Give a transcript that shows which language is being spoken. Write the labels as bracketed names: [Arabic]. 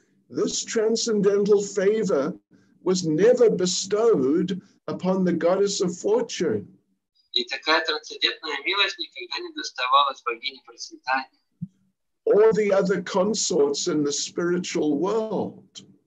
[English] This transcendental favor was never bestowed upon the goddess of fortune. [Russian] И такая трансцендентная милость никогда не доставалась богине процветания. [English] all the other consorts in the spiritual world.